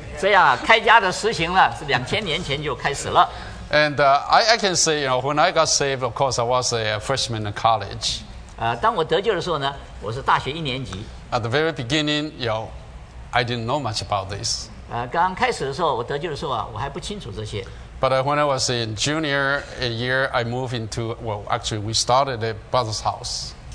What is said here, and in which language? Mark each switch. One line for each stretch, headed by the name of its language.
Chinese: 这样开家的实行呢，是2000年前就开始了。
English: And I can say, you know, when I got saved, of course, I was a freshman in college.
Chinese: 当我得救的时候呢，我是大学一年级。
English: At the very beginning, you know, I didn't know much about this.
Chinese: 刚开始的时候，我得救的时候啊，我还不清楚这些。
English: But when I was in junior a year, I moved into, well, actually we started a brother's house.